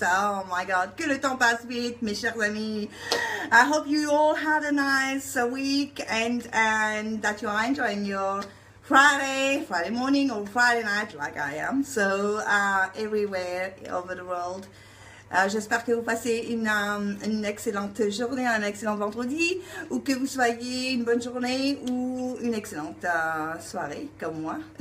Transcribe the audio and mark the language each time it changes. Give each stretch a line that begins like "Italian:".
English: Oh my god,
French: que le temps passe vite, mes chers amis.
English: I hope you all had a nice week and that you are enjoying your Friday morning or Friday night, like I am. So, everywhere over the world.
French: J'espère que vous passez une excellente journée, un excellent vendredi, ou que vous soyez une bonne journée ou une excellente soirée, comme moi.